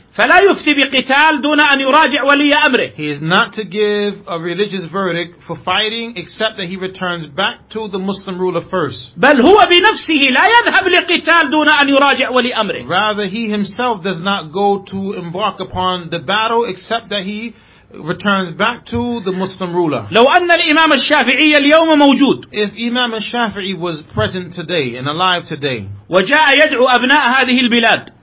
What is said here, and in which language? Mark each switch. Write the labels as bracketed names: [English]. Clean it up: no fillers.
[Arabic] فلا يفتي بقتال دون أن يراجع ولي أمره. [English] He is not to give a religious verdict for fighting except that he returns back to the Muslim ruler first. [Arabic] بل هو بنفسه لا يذهب لقتال دون أن يراجع ولي أمره. [English] Rather he himself does not go to embark upon the battle except that he returns back to the Muslim ruler. [Arabic] لو أن الإمام الشافعي اليوم موجود. [English] If Imam al-Shafi'i was present today and alive today. [Arabic] وجاء يدعو أبناء هذه البلاد.